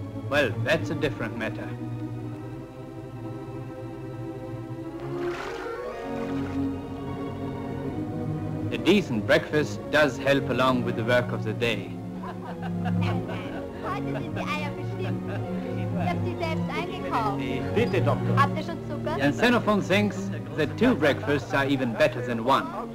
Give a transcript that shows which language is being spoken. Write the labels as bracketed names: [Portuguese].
[English] Well, that's a different matter. A decent breakfast does help along with the work of the day. [German] Heute sind die Eier bestimmt. Ich habe sie selbst eingekauft. Bitte, Doktor. Habt ihr schon Zucker? [English] And Xenophon thinks that two breakfasts are even better than one.